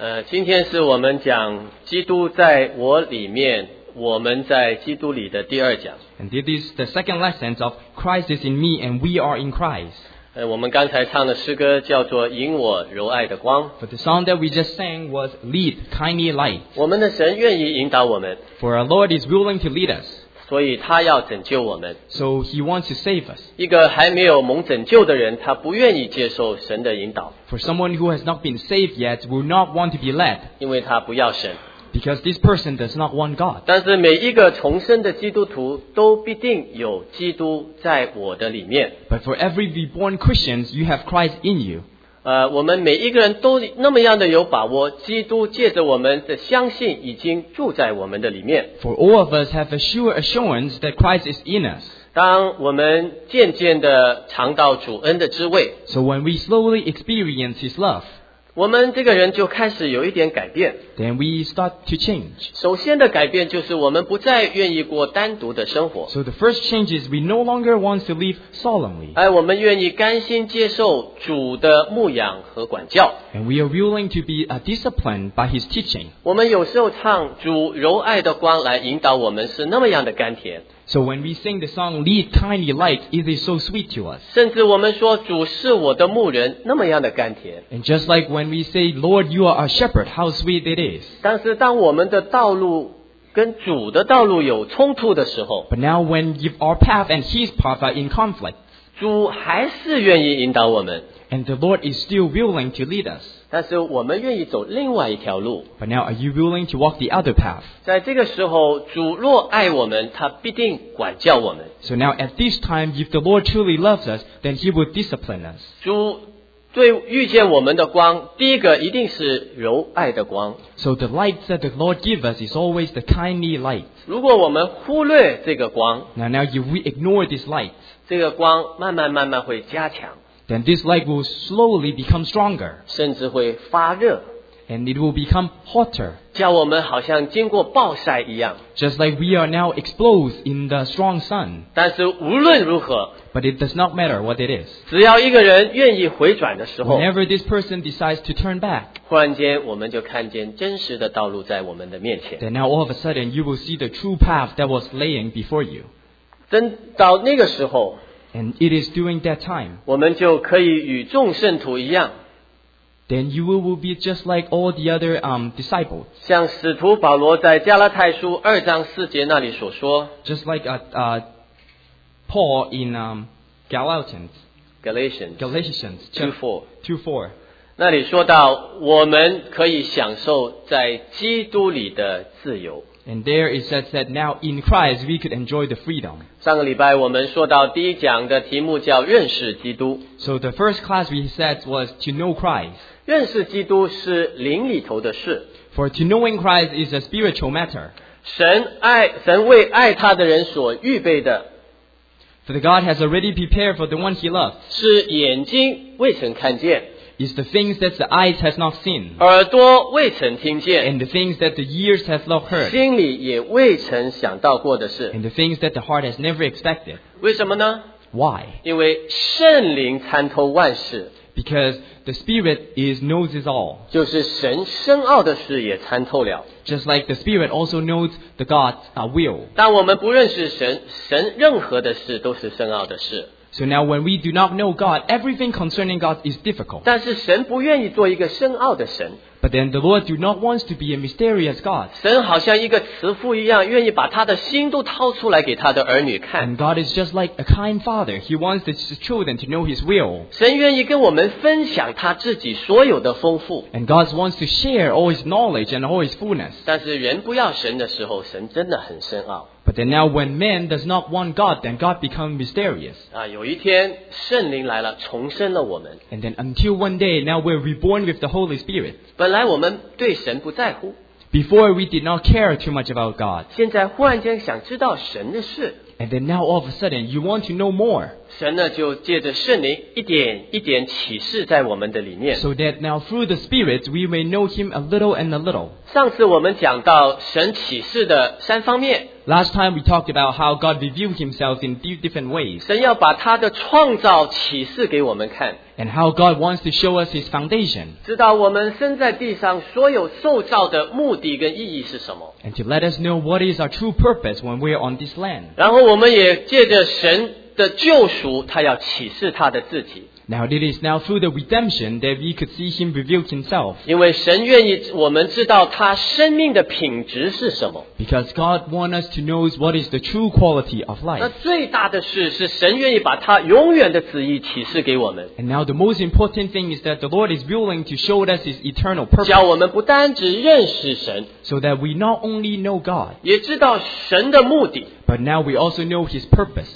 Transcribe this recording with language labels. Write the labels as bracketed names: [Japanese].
[Chinese] 今天是我们讲基督在我里面，我们在基督里的第二讲。 [English] And this is the second lesson of Christ is in me and we are in Christ。 [Chinese] 我们刚才唱的诗歌叫做《引我柔爱的光》。 [English] But the song that we just sang was Lead, Kindly Light。 [Chinese] 我们的神愿意引导我们。 [English] For our Lord is willing to lead us。 [Chinese] 所以他要拯救我们。 [English] So he wants to save us。 [Chinese] 一个还没有蒙拯救的人，他不愿意接受神的引导。 [English] For someone who has not been saved yet will not want to be led。 [Chinese] 因为他不要神。 [English] Because this person does not want God. [Chinese] 但是每一个重生的基督徒都必定有基督在我的里面。 [English] But for every reborn Christian, you have Christ in you. [Chinese] 我们每一个人都那么样的有把握，基督借着我们的相信已经住在我们的里面。 [English] For all of us have a sure assurance that Christ is in us. [Chinese] 当我们渐渐的尝到主恩的滋味。 [English] So when we slowly experience His love. [Chinese] 我们这个人就开始有一点改变。 [English] Then we start to change. [Chinese] 首先的改变就是我们不再愿意过单独的生活。 [English] So the first change is we no longer want to live solemnly. [Chinese] 我们愿意甘心接受主的牧养和管教。 [English] And we are willing to be disciplined by his teaching. [Chinese] 我们有时候唱主柔爱的光来引导我们是那么样的甘甜。 [English] So when we sing the song Lead Kindly Light, it is so sweet to us. [Chinese] 甚至我们说主是我的牧人那么样的甘甜。 [English] And just like when we say Lord, you are our shepherd, how sweet it is. [Chinese] 但是当我们的道路跟主的道路有冲突的时候。 [English] But now when if our path and his path are in conflict. [Chinese] 主还是愿意引导我们。 [English] And the Lord is still willing to lead us. [Chinese] 但是我们愿意走另外一条路。 [English] But now are you willing to walk the other path? [Chinese] 在这个时候，主若爱我们，他必定管教我们。 [English] So now at this time, if the Lord truly loves us, then he will discipline us. [Chinese] 主对遇见我们的光，第一个一定是柔爱的光。 [English] So the light that the Lord gives us is always the kindly light. [Chinese] 如果我们忽略这个光。 [English] Now if we ignore this light. [Chinese] 这个光慢慢慢慢会加强。 [English] Then this light will slowly become stronger. [Chinese] 甚至会发热。 [English] And it will become hotter. [Chinese] 叫我们好像经过暴晒一样。 [English] Just like we are now exposed in the strong sun. [Chinese] 但是无论如何。 [English] But it does not matter what it is. [Chinese] 只要一个人愿意回转的时候。 [English] Whenever this person decides to turn back. [Chinese] 忽然间我们就看见真实的道路在我们的面前。 [English] Then now all of a sudden you will see the true path that was laying before you. [Chinese] 等到那个时候。 [English] And it is during that time. [Chinese] 我们就可以与众圣徒一样。 [English] Then you will be just like all the other disciples. [Chinese] 像使徒保罗在加拉太书二章四节那里所说。 [English] Just like Paul in Galatians. Galatians. Galatians 2:4. [Chinese] 那里说到我们可以享受在基督里的自由。 [English] And there it says that now in Christ we could enjoy the freedom. [Chinese] 上个礼拜我们说到第一讲的题目叫认识基督。 [English] So the first class we said was to know Christ. [Chinese] 认识基督是灵里头的事。 [English] For to knowing Christ is a spiritual matter. [Chinese] 神为爱他的人所预备的。 [English] For the God has already prepared for the one he loves. [Chinese] 是眼睛未曾看见。 [English] Is the things that the eyes has not seen. [Chinese] 耳朵未曾听见。 [English] And the things that the ears has not heard. [Chinese] 心里也未曾想到过的事。 [English] And the things that the heart has never expected. [Chinese] 为什么呢？ [English] Why? [Chinese] 因为圣灵参透万事。 [English] Because the Spirit is knows it all. [Chinese] 就是神深奥的事也参透了。 [English] Just like the Spirit also knows the God's will. [Chinese] 但我们不认识神，神任何的事都是深奥的事。 [English] So now when we do not know God, everything concerning God is difficult. [Chinese] 但是神不愿意做一个深奥的神。 [English] But then the Lord do not want to be a mysterious God. [Chinese] 神好像一个慈父一样，愿意把他的心都掏出来给他的儿女看。 [English] And God is just like a kind father. He wants his children to know his will. [Chinese] 神愿意跟我们分享他自己所有的丰富。 [English] And God wants to share all his knowledge and all his fullness. [Chinese] 但是人不要神的时候，神真的很深奥。 [English] But then now when man does not want God, then God becomes mysterious. [Chinese] 有一天圣灵来了，重生了我们。 [English] And then until one day, now we're reborn with the Holy Spirit. [Chinese] 本来我们对神不在乎。 [English] Before we did not care too much about God. [Chinese] 现在忽然间想知道神的事。 [English] And then now all of a sudden, you want to know more. [Chinese] 神呢就借着圣灵一点一点启示在我们的里面。 [English] So that now through the Spirit we may know Him a little and a little. [Chinese] 上次我们讲到神启示的三方面。 [English] Last time we talked about how God revealed Himself in different ways. [Chinese] 神要把他的创造启示给我们看。 [English] And how God wants to show us His foundation. [Chinese] 知道我们生在地上所有受造的目的跟意义是什么。 [English] And to let us know what is our true purpose when we are on this land. [Chinese] 然后我们也借着神的救赎，他要启示他的自己。 [English] Now it is now through the redemption that we could see Him reveal Himself. [Chinese] 因为神愿意我们知道他生命的品质是什么。 [English] Because God wants us to know what is the true quality of life. [Chinese] 那最大的事是神愿意把他永远的旨意启示给我们。 [English] And now the most important thing is that the Lord is willing to show us His eternal purpose. [Chinese] 叫我们不单只认识神。 [English] So that we not only know God. [Chinese] 也知道神的目的。 [English] But now we also know His purpose.